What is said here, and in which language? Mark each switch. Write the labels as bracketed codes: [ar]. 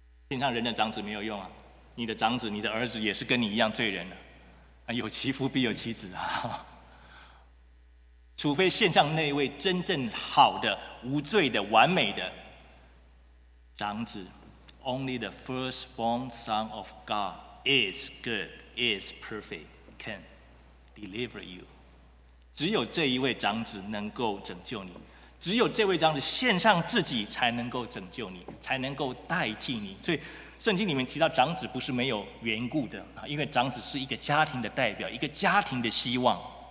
[zh] 献上人的长子没有用啊，你的长子你的儿子也是跟你一样罪人啊，有其父必有其子啊，除非献上那位真正好的无罪的完美的长子。 [en] Only the firstborn son of God is good, is perfect, can deliver you. [zh] 只有这一位长子能够拯救你，只有这位长子献上自己才能够拯救你，才能够代替你。所以圣经里面提到长子不是没有缘故的，因为长子是一个家庭的代表，一个家庭的希望。